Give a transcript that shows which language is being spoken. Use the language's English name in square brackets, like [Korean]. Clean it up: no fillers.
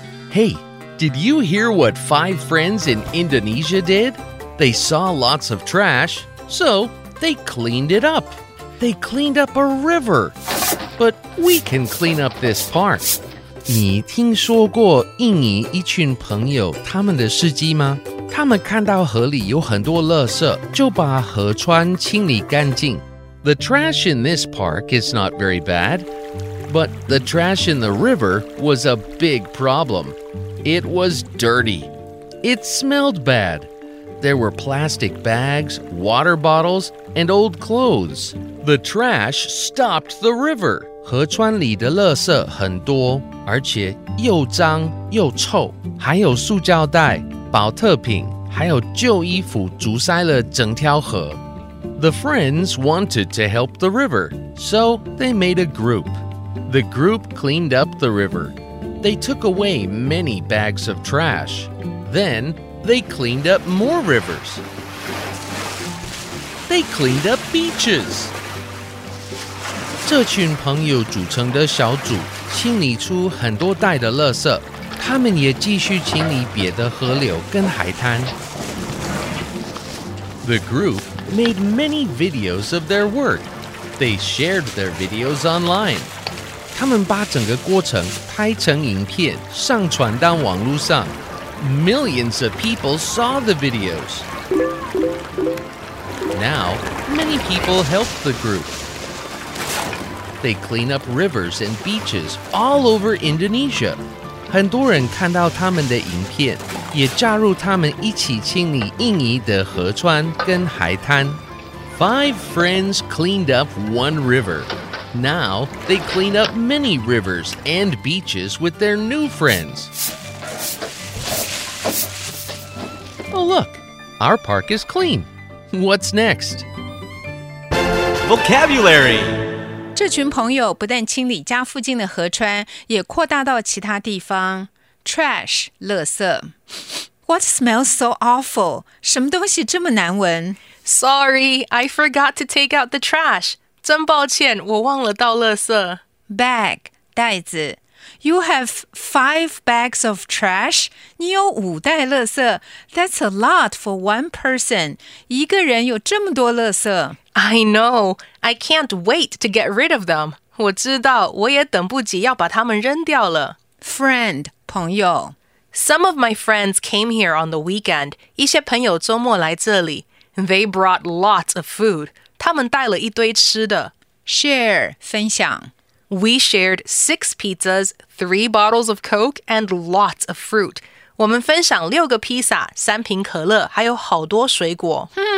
[English] Hey, did you hear what five friends in Indonesia did? They saw lots of trash, so they cleaned it up. They cleaned up a river. But we can clean up this park. [Chinese] 你听说过印尼一群朋友他们的事迹吗？他们看到河里有很多垃圾，就把河川清理干净。 [English] The trash in this park is not very bad, but the trash in the river was a big problem. It was dirty. It smelled bad. There were plastic bags, water bottles, and old clothes. The trash stopped the river. [Chinese] 河川里的垃圾很多，而且又脏又臭，还有塑胶袋。宝特瓶还有旧衣服阻塞了整条河。 [English] The friends wanted to help the river, so they made a group. The group cleaned up the river. They took away many bags of trash. Then they cleaned up more rivers. They cleaned up beaches. [Chinese] 这群朋友组成的小组清理出很多袋的垃圾。他们也继续清理别的河流跟海滩。 [English] The group made many videos of their work. They shared their videos online. [Chinese] 他们把整个过程拍成影片，上传到网路上。 [English] Millions of people saw the videos. Now, many people helped the group. They clean up rivers and beaches all over Indonesia. [Chinese] 很多人看到他们的影片，也加入他们一起清理印尼的河川跟海滩。 [English] Five friends cleaned up one river. Now they clean up many rivers and beaches with their new friends. Oh look, our park is clean. What's next? Vocabulary. [Chinese] 这群朋友不但清理家附近的河川，也扩大到其他地方。 [English] Trash, 垃圾。What smells so awful? [Chinese] 什么东西这么难闻？ [English] Sorry, I forgot to take out the trash. [Chinese] 真抱歉，我忘了倒垃圾。 [English] Bag, 袋子。You have 5 bags of trash? [Chinese] 你有五袋垃圾。 [English] That's a lot for one person. [Chinese] 一个人有这么多垃圾。 [English] I know. I can't wait to get rid of them. [Chinese] 我知道，我也等不及要把它们扔掉了。 [English] Friend, 朋友。 Some of my friends came here on the weekend. [Chinese] 一些朋友周末来这里。 [English] They brought lots of food. [Chinese] 他们带了一堆吃的。 [English] Share, 分享。 We shared 6 pizzas, 3 bottles of Coke, and lots of fruit. [Chinese] 我们分享六个披萨，三瓶可乐，还有好多水果。